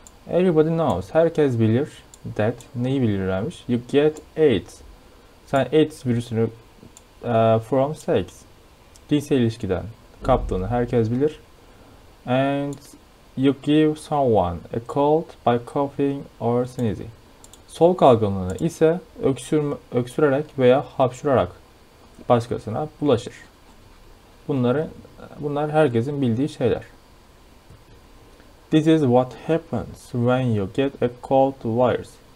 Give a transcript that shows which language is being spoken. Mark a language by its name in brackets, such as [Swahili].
[English] Everybody knows. [Turkish] Herkes bilir that neyi bilirmiş? [English] You get AIDS. [Turkish] Sen AIDS virüsünü [English] from sex. [Turkish] Cinsel ilişkiden kaptığını herkes bilir. [English] And you give someone a cold by coughing or sneezing. [Turkish] Soluk algınlığına ise öksürerek veya hapşurarak başkasına bulaşır. Bunlar herkesin bildiği şeyler. [English] This is what happens when you get a cold virus.